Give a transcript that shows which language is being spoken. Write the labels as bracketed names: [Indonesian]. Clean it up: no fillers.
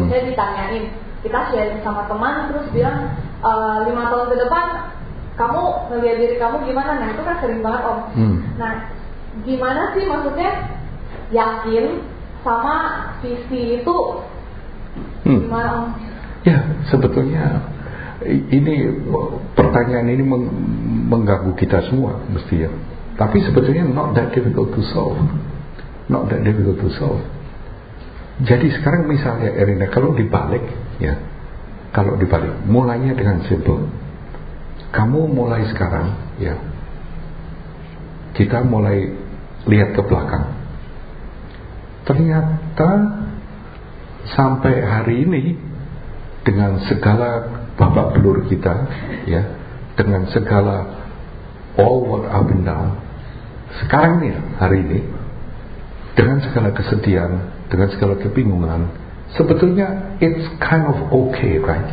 [Indonesian] Saya ditanyain, kita sharing sama teman terus bilang 5 tahun ke depan kamu ngeliat diri kamu gimana, nah itu kan sering banget Om. Nah gimana sih maksudnya yakin sama sisi itu gimana Om? Ya sebetulnya ini pertanyaan ini mengganggu kita semua mesti ya. Tapi sebetulnya [English] not that difficult to solve, not that difficult to solve. [Indonesian] Jadi sekarang misalnya Erina, kalau dibalik ya, kalau dibalik, mulainya dengan simple. Kamu mulai sekarang ya, kita mulai lihat ke belakang. Ternyata sampai hari ini, dengan segala babak belur kita, ya, dengan segala [English] all what up and down, [Indonesian] sekarang ini, hari ini, dengan segala kesedihan, dengan segala kebingungan, sebetulnya [English] it's kind of okay, right?